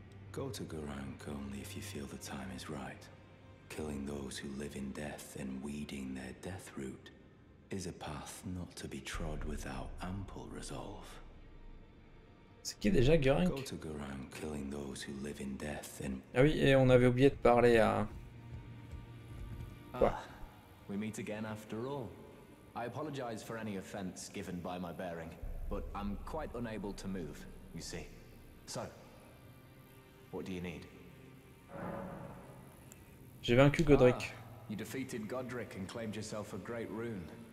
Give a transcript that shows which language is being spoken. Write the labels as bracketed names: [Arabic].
[English] Go to Garank only if you feel the time is right. Killing those who live in death and weeding their death root is a path not to be trod without ample resolve. [French] C'est qui déjà Garank? [English] Go to Garank, killing those who live in death and... [French] Ah oui, et on avait oublié de parler à... [English] Quoi? Ah, we meet again after all. I apologize for any offense given by my bearing, but I'm quite unable to move, you see. So, what do you need? [French] J'ai vaincu Godric. [English] Ah, you defeated Godric and claimed yourself a great rune.